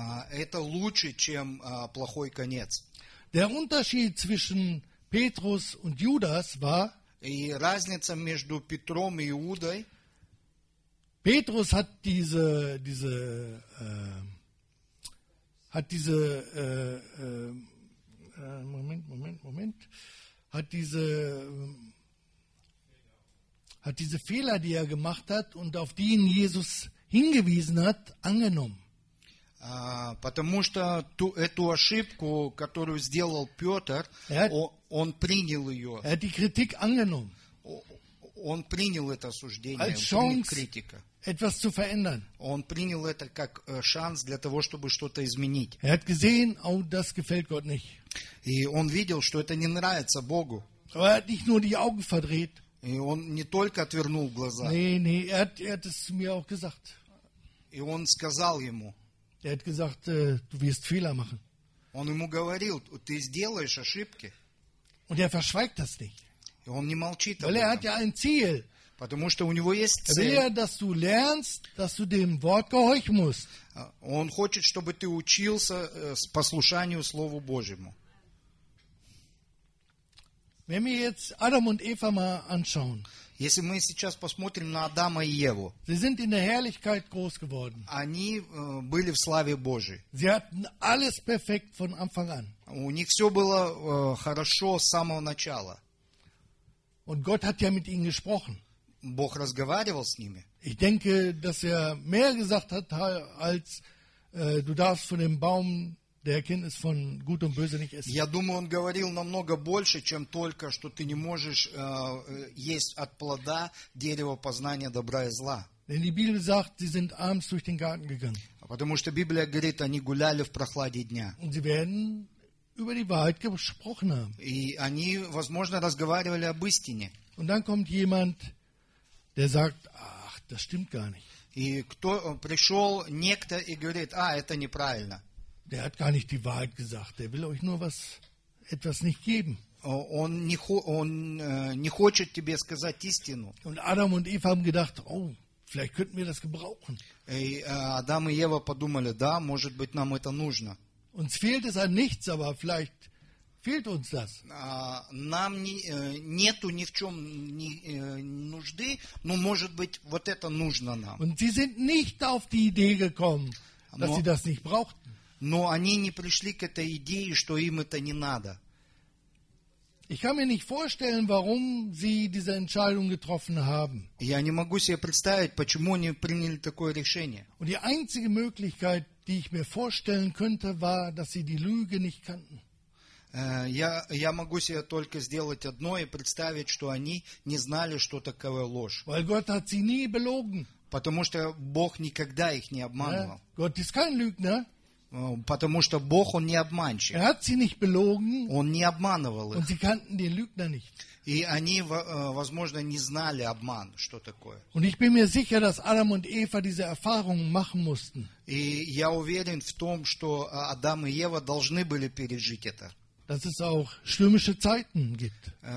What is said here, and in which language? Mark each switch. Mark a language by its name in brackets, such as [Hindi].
[Russian] Это лучше, чем плохой конец. [German] Der Unterschied zwischen Petrus und Judas war, [Russian] и разница между Петром и Иудой, [German] Petrus hat diese Fehler, die er gemacht hat und auf die ihn Jesus hingewiesen hat, angenommen. [Russian] Потому что эту ошибку, которую сделал Петр, он принял ее. [German] Er hat die Kritik angenommen. [Russian] Он принял это осуждение, [German] als Chance, [Russian] критика. [German] Etwas zu verändern. [Russian] Он принял это как шанс для того, чтобы что-то изменить. [German] Er hat gesehen, oh, das gefällt Gott nicht. [Russian] И он видел, что это не нравится Богу. [German] Aber er hat nicht nur die Augen verdreht. [Russian] И он не только отвернул глаза. [German] Nee, er hat es mir auch gesagt. [Russian] И он сказал ему. [German] Er hat gesagt, du wirst Fehler machen. [Russian] Он ему говорил, ты сделаешь ошибки. [German] Und er verschweigt das nicht. [Russian] И он не молчит. [German] Weil er hat ja ein Ziel. [Russian] Потому что у него есть цель. [German] Will er, dass du lernst, dass du dem Wort gehorchen musst. [Russian] Он хочет, чтобы ты учился послушанию Слову Божьему. [German] Wenn wir jetzt Adam und Eva mal anschauen. [Russian] Если мы сейчас посмотрим на Адама и Еву. [German] Sie sind in der Herrlichkeit groß geworden. [Russian] Они были в славе Божьей. [German] Sie hatten alles perfekt von Anfang an. [Russian] У них все было хорошо с самого начала. [German] Und Gott hat ja mit ihnen gesprochen. [Russian] Бог разговаривал с ними. [German] Ich denke, dass er mehr gesagt hat, als du darfst von dem Baum der Erkenntnis von Gut und Böse nicht essen. [Russian] Я думаю, он говорил намного больше, чем только, что ты не можешь есть от плода дерева познания добра и зла. [German] Denn die Bibel sagt, sie sind abends durch den Garten gegangen. [Russian] Потому что Библия говорит, они гуляли в прохладе дня. [German] Und sie werden über die Wahrheit gesprochen haben. [Russian] И они, возможно, разговаривали об истине. [German] Und dann kommt jemand, der sagt, ach, das stimmt gar nicht. [Russian] И кто пришел, некто и говорит, а, это неправильно. [German] Der hat gar nicht die Wahrheit gesagt. Der will euch nur was, etwas nicht geben. [Russian] Он не хочет тебе сказать истину. [German] Und Adam und Eva haben gedacht, oh, vielleicht könnten wir das gebrauchen. [Russian] Адам и Ева подумали, да, может быть, нам это нужно. [German] Uns fehlt es an nichts, aber vielleicht fehlt uns das. [Russian] Нам нету ни в чем нужды, но может быть, вот это нужно нам. [German] Und sie sind nicht auf die Idee gekommen, dass sie das nicht brauchten. [Russian] Но они не пришли к этой идее, что им это не надо. [German] Ich kann mir nicht vorstellen, warum sie diese Entscheidung getroffen haben. [Russian] Я не могу себе представить, почему они приняли такое решение. [German] Und die einzige Möglichkeit, die ich mir vorstellen könnte, war, dass sie die Lüge nicht kannten. [Russian] Я могу себе только сделать одно и представить, что они не знали, что такое ложь. [German] Weil Gott hat sie nie belogen. [Russian] Потому что Бог никогда их не обманывал. [German] Gott ist kein Lügner. [Russian] Потому что Бог, Он не обманщик. [German] Er hat sie nicht belogen, [Russian] Он не обманывал их. [German] Und sie kannten den Lügner nicht. [Russian] И они, возможно, не знали обман, что такое. [German] Und ich bin mir sicher, dass Adam und Eva diese Erfahrungen machen mussten. [Russian] И я уверен в том, что Адам и Ева должны были пережить это. [German] Dass es auch stürmische Zeiten gibt.